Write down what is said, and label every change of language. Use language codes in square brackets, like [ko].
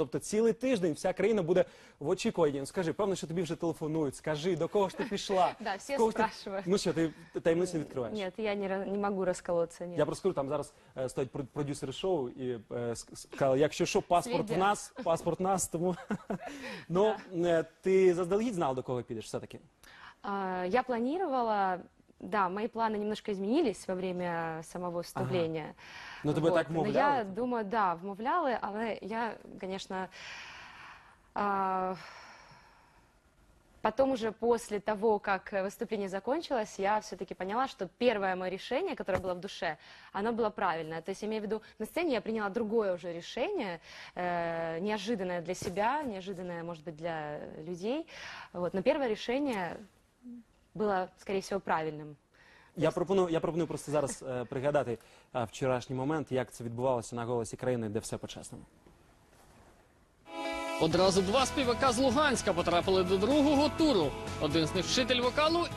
[uk] Тобто цілий тиждень вся країна буде в очікуванні. Скажи, певно, що тобі вже телефонують, скажи, до кого ж ти пішла? Так, всі спрашивають. Ну що, ти таємницю не відкриваєш? Ні, я не можу розколотися, ні. Я просто скажу, там зараз стоять продюсери шоу і сказали, якщо що, паспорт в нас, тому... Ну, ти заздалегідь знала, до кого підеш все-таки? [ru] Я планировала, да, мои планы немножко изменились во время самого выступления. Ага. Ну, ты бы так вмовляла? Но я думаю, да, [uk] вмовляла, але [ru] я, конечно, потом уже после того, как выступление закончилось, я все-таки поняла, что первое мое решение, которое было в душе, оно было правильное. То есть, я имею в виду, на сцене я приняла другое уже решение, неожиданное для себя, неожиданное, может быть, для людей. Вот. Но первое решение... [uk] Було, скоріше всього, правильним. Я пропоную просто зараз пригадати вчорашній момент, як це відбувалося на «Голосі країни», де все по-чесному. Одразу два співака з Луганська потрапили до другого туру. Один з них – вчитель вокалу.